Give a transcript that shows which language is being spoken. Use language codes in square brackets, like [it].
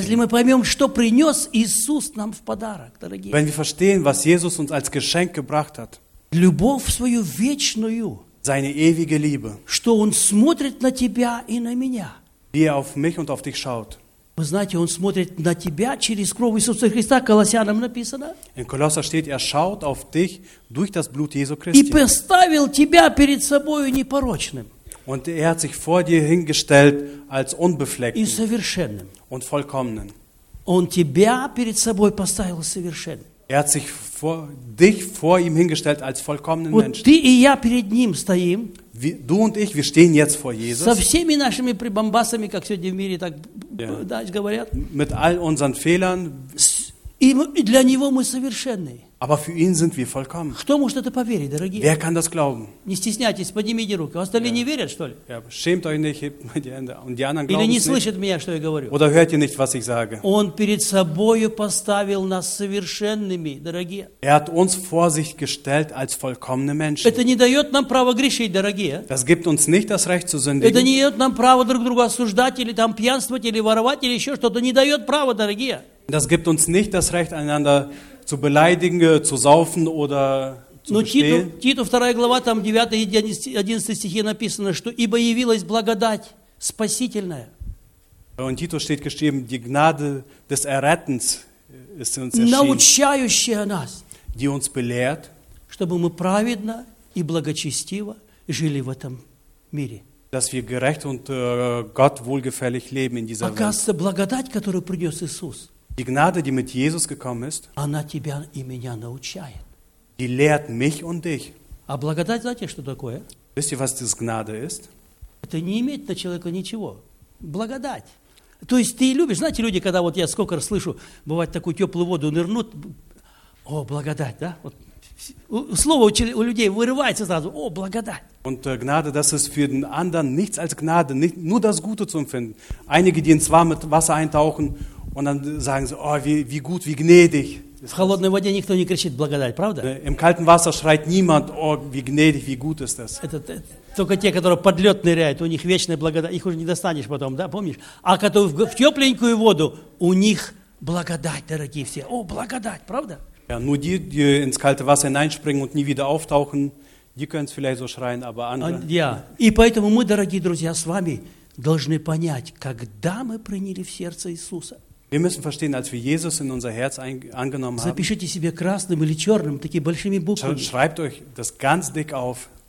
[ru] если мы поймем, что принес Иисус нам в подарок, дорогие, [de] wenn wir verstehen, was Jesus uns als Geschenk gebracht hat, [ru] любовь свою вечную, [de] seine ewige Liebe, [ru] что он смотрит на тебя и на меня, [de] wie er auf mich und auf dich schaut. [ru] Вы знаете, он смотрит на тебя через кровь Иисуса Христа, Колоссянам написано. [de] In Kolosser steht, er schaut auf dich durch das Blut Jesu Christi. [ru] И поставил тебя перед собою непорочным. [de] Und er hat sich vor dir hingestellt als unbefleckten. [ru] И совершенным. [de] Und vollkommenen. [ru] Он тебя перед собой поставил совершенным. [de] Er hat sich vor dich vor ihm hingestellt als vollkommenen und Menschen. [ru] Ты и я перед ним стоим. [de] Du und ich, wir stehen jetzt vor Jesus. [ru] Со всеми нашими прибамбасами, как сегодня в мире так говорят. [de] Mit all unseren Fehlern. [ru] И для него мы совершенны. [de] Aber für ihn sind wir vollkommen. [ru] Кто может это поверить, дорогие? [de] Wer kann das glauben? [ru] Не стесняйтесь, поднимите руки. Остальные не верят, что ли? [de] Ja, schämt euch nicht, hebt mal die Hände. Und die anderen glauben es nicht. [ru] Или не слышат меня, что я говорю? [de] Oder hört ihr nicht, was ich sage? [ru] Он перед собою поставил нас совершенными, дорогие. [de] Er hat uns vor sich gestellt als vollkommene Menschen. [ru] Это не дает нам право грешить, дорогие. [de] Das gibt uns nicht das Recht zu sündigen. [ru] Это не дает нам право друг друга осуждать или там пьянствовать или воровать или еще что-то. Не дает право, дорогие. [de] Das gibt uns nicht das Recht, einander zu beleidigen, zu saufen oder zu bestehlen. [ru] Tito 2. глава, там 9 и 11 стихи написано, что ибо явилась благодать спасительная. [de] Und Tito steht geschrieben, die Gnade des Errettens ist uns erschienen. [ru] Научающая нас. [de] Die uns belehrt. [ru] Чтобы мы праведно и благочестиво жили в этом мире. [de] Dass wir gerecht und Gott wohlgefällig leben in dieser Welt. [ru] Оказывается, благодать, которую принес Иисус. [de] Die Gnade, die mit Jesus gekommen ist, [ru] она тебя и меня научает. [de] Die lehrt mich und dich. [ru] А благодать, знаете, что такое? [de] Wisst ihr, was das Gnade ist? [ru] Это не иметь на человека ничего. Благодать. То есть ты любишь, знаете, люди, когда вот я сколько раз слышу, бывает такую теплую воду нырнут, о, благодать, да? Вот. Слово у людей вырывается сразу, о, благодать. [de] Und Gnade, das ist für den anderen nichts als Gnade, nicht, nur das Gute zu empfinden. Einige, die ins warme Wasser eintauchen, und dann sagen sie, oh, wie gut, wie gnädig. [ru] В холодной воде никто не кричит благодать, правда? [de] Im kalten Wasser schreit niemand, oh, wie gnädig, wie gut ist das. [ru] Только те, которые под лед ныряют, у них вечная благодать, их уже не достанешь потом, да, помнишь? А которые в тепленькую воду, у них благодать, дорогие все. О, благодать, правда? [de] Ja, nur die ins kalte Wasser hineinspringen und nie wieder auftauchen, die können es vielleicht so schreien, aber andere... [ru] Ja, и поэтому мы, дорогие друзья, с вами должны понять, когда мы приняли в сердце Иисуса. [de] Wir müssen verstehen, als wir Jesus in unser Herz angenommen haben. [ru] Запишите себе красным или черным такими большими буквами. [de] Schreibt euch das ganz dick auf.